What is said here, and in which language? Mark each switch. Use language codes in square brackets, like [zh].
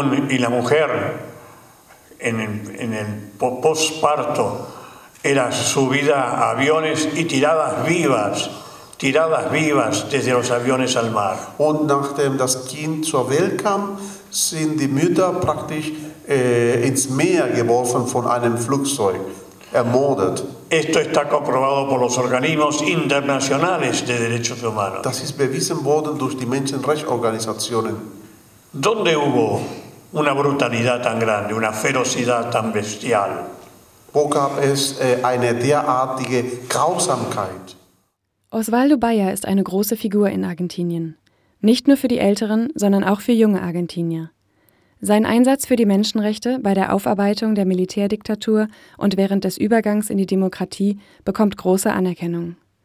[es] Y la mujer en el postparto era subida a aviones y tiradas vivas desde los aviones al mar. [de] Und nachdem das Kind zur Welt kam, sind die Mütter praktisch ins Meer geworfen von einem Flugzeug, ermordet. [es] Esto está comprobado por los organismos internacionales de derechos humanos. [de] Das ist bewiesen worden durch die Menschenrechtsorganisationen. [es] ¿Dónde hubo una brutalidad tan grande, una ferocidad tan bestial? [de] Wo gab es eine derartige Grausamkeit? Osvaldo Baia ist eine große Figur in Argentinien. Nicht nur für die Älteren, sondern auch für junge Argentinier. Sein Einsatz für die Menschenrechte bei der Aufarbeitung der Militärdiktatur und während des Übergangs in die Demokratie bekommt große Anerkennung.